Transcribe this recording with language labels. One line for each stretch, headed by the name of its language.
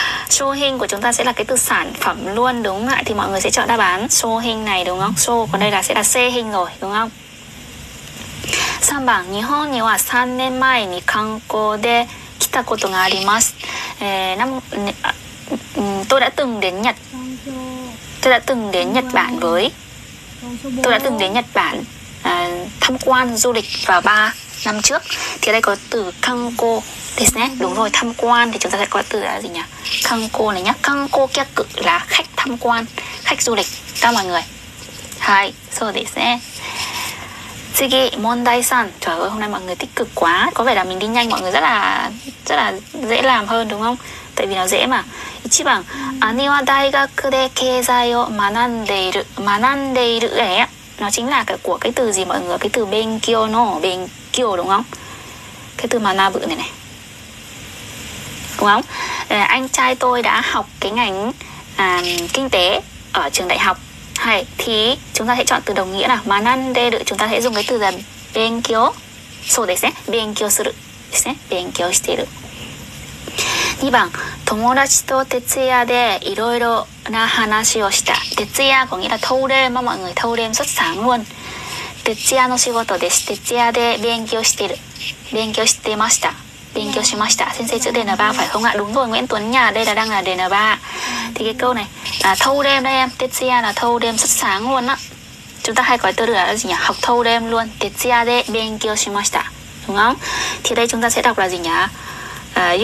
Vietnamese: Shouhin của chúng ta sẽ là cái từ sản phẩm luôn, đúng không ạ? Thì mọi người sẽ chọn đáp án shouhin này, đúng không? Shou còn đây là sẽ là seihin rồi, đúng không?
Japanese: 3 番 Nihon には 3 年前に観光で来たことがあります.
Vietnamese: Tôi đã từng đến Nhật. Tôi đã từng đến Nhật Bản với Tôi đã từng đến Nhật Bản tham quan du lịch vào 3 năm trước. Thì đây có từ kanko, đúng rồi, tham quan thì chúng ta sẽ có từ là gì nhỉ? Kanko này nhá. Kanko kyaku là khách tham quan, khách du lịch, các mọi người.
Japanese: Hai, so desu ne. Tsugi, mondai san.
Vietnamese: Trời ơi, hôm nay mọi người tích cực quá. Có vẻ là mình đi nhanh, mọi người rất là dễ làm hơn, đúng không? Tại vì nó dễ mà.
Japanese: 1 番, ani wa daigaku de keizai o manandeiru.
Vietnamese: Manandeiru này á, nó chính là của cái từ gì mọi người? Cái từ benkyo no, benkyo, đúng không? Cái từ manabu này này, đúng không? Anh trai tôi đã học cái ngành kinh tế ở trường đại học. Hay, thì chúng ta sẽ chọn từ đồng nghĩa là manandeiru. Chúng ta sẽ dùng cái từ là benkyo.
Japanese: So desu ne, benkyo suru. Desu ne, benkyo shiteru. 2 番, 友達と徹夜でいろいろな話をした.
Vietnamese: 徹夜 có nghĩa là thâu đêm, mọi người thâu đêm rất sáng luôn.
Japanese: 徹夜の仕事です. 徹夜で勉強してる. 勉強してました.勉強しました.
Vietnamese: 先生chữ DN3 phải không ạ? Đúng rồi, Nguyễn Tuấn nhà đây là đang là DN3. Thì cái câu này là thâu đêm đây em. 徹夜 là thâu đêm rất sáng luôn á. Chúng ta hay có từ là gì nhỉ? Học thâu đêm luôn.
Japanese: 徹夜で勉強しました.
Vietnamese: Đúng không? Thì đây chúng ta sẽ đọc là gì nhỉ?